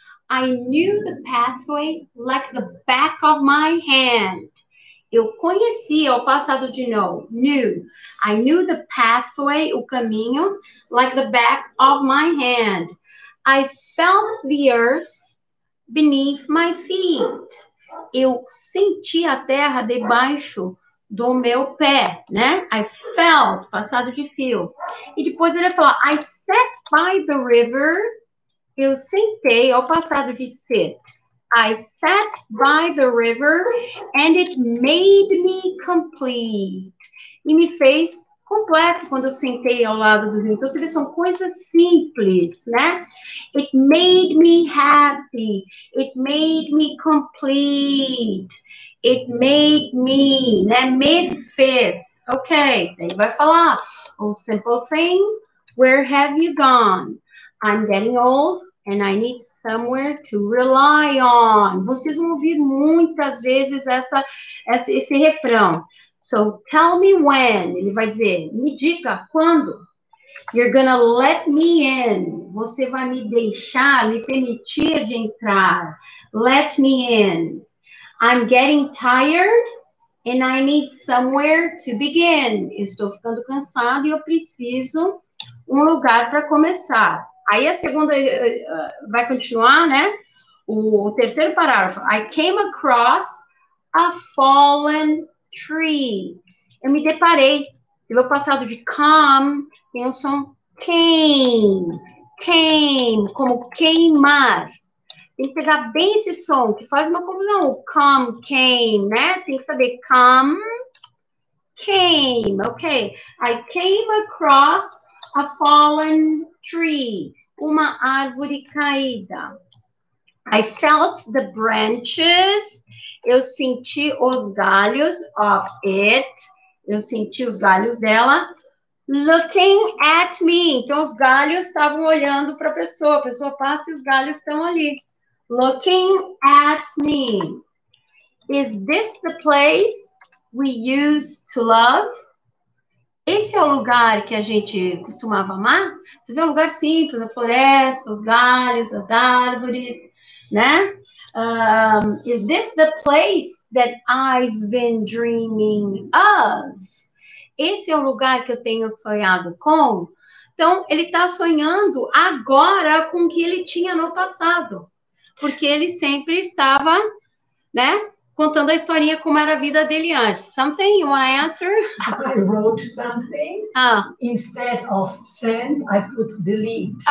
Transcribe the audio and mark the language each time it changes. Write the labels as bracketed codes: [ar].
[en] I knew the pathway like the back of my hand. [pt] Eu conhecia o passado de novo. [en] Knew. I knew the pathway, [pt] o caminho, [en] like the back of my hand. I felt the earth beneath my feet. [pt] Eu senti a terra debaixo do meu pé, né? [en] I felt, [pt] passado de [en] feel. [pt] E depois ele fala, [en] I sat by the river. [pt] Eu sentei, ao passado de sit. [en] I sat by the river and it made me complete. [pt] E me fez completo quando eu sentei ao lado do rio. Então você vê, são coisas simples, né? [en] It made me happy. It made me complete. It made me, [pt] né? Me fez. [en] Okay, [pt] daí vai falar. [en] Oh, simple thing, where have you gone? I'm getting old and I need somewhere to rely on. [pt] Vocês vão ouvir muitas vezes esse refrão. [en] So tell me when, [pt] ele vai dizer, me diga quando. [en] You're gonna let me in. [pt] Você vai me deixar, me permitir de entrar. [en] Let me in. I'm getting tired and I need somewhere to begin. [pt] Estou ficando cansado e eu preciso um lugar para começar. Aí a segunda vai continuar, né? O terceiro parágrafo. [en] I came across a fallen tree. [pt] Eu me deparei. Se vê o passado de come, tem o som came. Came, como queimar. Tem que pegar bem esse som, que faz uma confusão. Come, came, né? Tem que saber come, came. Ok. [en] I came across a fallen tree. [pt] Uma árvore caída. [en] I felt the branches. [pt] Eu senti os galhos [en] of it. [pt] Eu senti os galhos dela. [en] Looking at me. [pt] Então, os galhos estavam olhando para a pessoa passa e os galhos estão ali. [en] Looking at me. Is this the place we used to love? [pt] Esse é o lugar que a gente costumava amar? Você vê um lugar simples, a floresta, os galhos, as árvores, né? [en] Is this the place that I've been dreaming of? [pt] Esse é o lugar que eu tenho sonhado com? Então, ele está sonhando agora com o que ele tinha no passado. Porque ele sempre estava, né? Contando a historinha como era a vida dele antes. [en] Something you want to answer? I wrote something. Instead of send, I put delete.